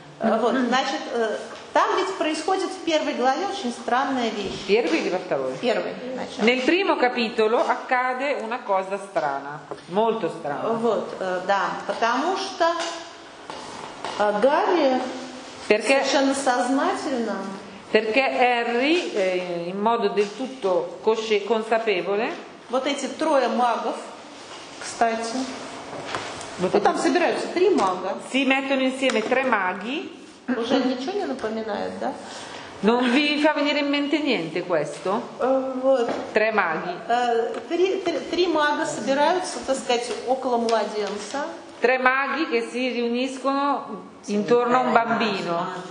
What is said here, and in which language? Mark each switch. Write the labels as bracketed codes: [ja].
[ru] Вот, значит, там ведь происходит в первой главе очень странная вещь. Первый или во второй? Первый. [it] Nel primo capitolo accade una cosa strana, molto strana. [ru] Вот, да, потому что Гарри совершенно сознательно. [it] Perché Harry, in modo del tutto consapevole. [ru] Вот эти трое магов, кстати. Вот ну, там собираются три мага. [it] Si mettono insieme tre маги. [ru] Уже ничего не напоминает, да? [it] Non vi fa venire in mente niente questo? [ru] Вот. [it] Tre маги. [ru] Три мага собираются, так сказать, около младенца. [it] Tre маги che si riuniscono intorno a un bambino.